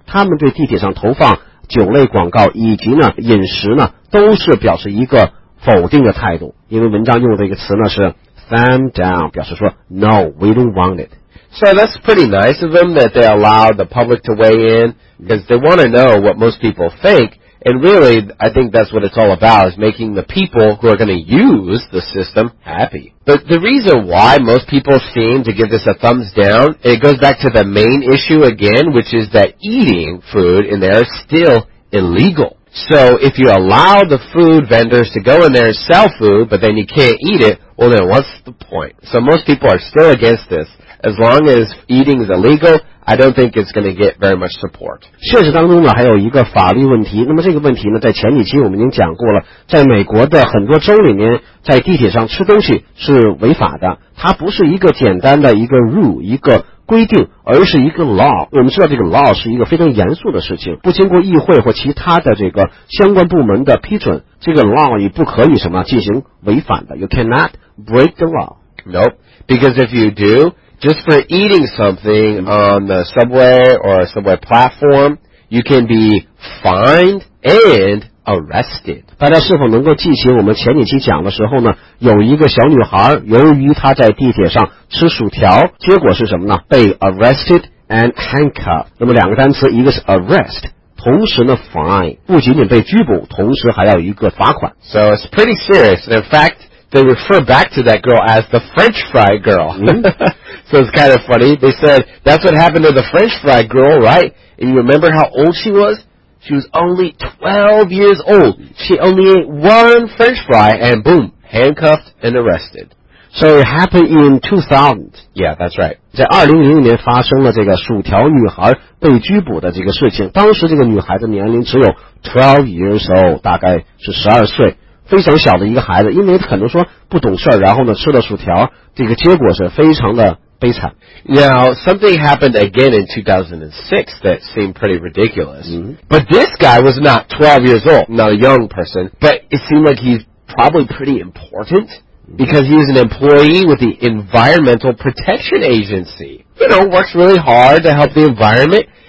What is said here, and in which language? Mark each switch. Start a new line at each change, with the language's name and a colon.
Chinese: 他们对地铁上投放酒类广告以及呢饮食呢，都是表示一个否定的态度。因为文章用的一个词呢是
English: Thumb down,
Chinese: 表示说
English: no, we don't want it. So that's pretty nice of them that they allow the public to weigh in, because they want to know what most people think, and really, I think that's what it's all about, is making the people who are going to use the system happy. But the reason why most people seem to give this a thumbs down, it goes back to the main issue again, which is that eating food in there is still illegal. So if you allow the food vendors to go in there and sell food, but then you can't eat it,Well then, what's the point? So most people are still against this. As long as eating is illegal, I don't think it's going to get very much support.
Chinese: 现实当中呢，还有一个法律问题。那么这个问题呢，在前几期我们已经讲过了。在美国的很多州里面，在地铁上吃东西是违法的。它不是一个简单的一个 rule， 一个规定，而是一个 law。我们知道这个 law 是一个非常严肃的事情，不经过议会或其他的这个相关部门的批准，这个 law 也不可以什么进行违反的。
English: You cannot break the law. Nope. Because if you do, just for eating something on the subway or a subway platform, you can be fined and arrested.
Chinese: 大家是否能够记起我们前几期讲的时候呢？有一个小女孩，由于她在地铁上吃薯条，结果是什么呢？被
English: arrested and handcuffed.
Chinese: 那么两个单词，一个是 arrest. 同时呢 fine 不仅仅被拘捕，同时还要一个罚款。
English: So it's pretty serious. In fact, they refer back to that girl as the French fry girl. So it's kind of funny. They said that's what happened to the French fry girl, right? And you remember how old she was? She was only 12 years old. She only ate one French fry and boom, handcuffed and arrested. So it happened in 2000. Yeah, that's right.
Chinese: 在2000年发生了这个薯条女孩被拘捕的这个事情。当时这个女孩的年龄只有
English: 12 years old,
Chinese: 大概是12岁。非常小的一个孩子，因为可能说不懂事，然后呢吃了薯条，这个结果是非常的悲惨。
English: Now, something happened again in 2006 that seemed pretty ridiculous. But this guy was not 12 years old, not a young person, but it seemed like he's probably pretty important. Because he was an employee with the Environmental Protection Agency. You know, works really hard to help the environment.